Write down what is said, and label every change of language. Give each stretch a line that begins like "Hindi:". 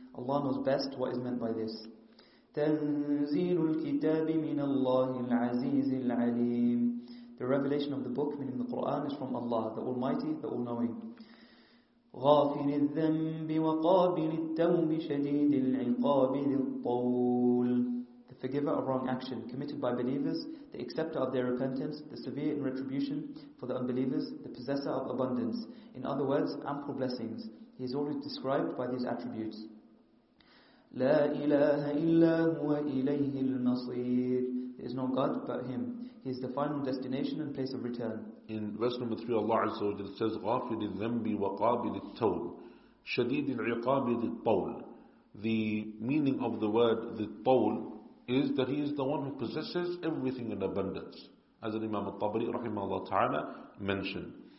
English: Allah knows best what is meant by this.
Arabic: Tanzeelul Kitabi min Allahil Azizil Alim.
English: The revelation of the book, meaning the Quran, is from Allah, the Almighty, the All-Knowing.
Arabic: غافر الذنب وقابل التوب شديد العقاب ذي الطول.
English: The forgiver of wrong action committed by believers, the acceptor of their repentance, the severe in retribution for the unbelievers, the possessor of abundance, in other words, ample blessings. He is always described by these attributes.
Arabic: لا إله إلا هو إليه المصير.
English: There is no God but Him. He is the final destination and place of return. In verse number 3, Allah Azza wa Jalla says,
Arabic: غافر الذنب وقابل التوب شديد العقاب ذي الطول.
English: The meaning of the word ذي الطول is that He is the one who possesses everything in abundance, as Imam al-Tabari rahimahullah ta'ala mentioned.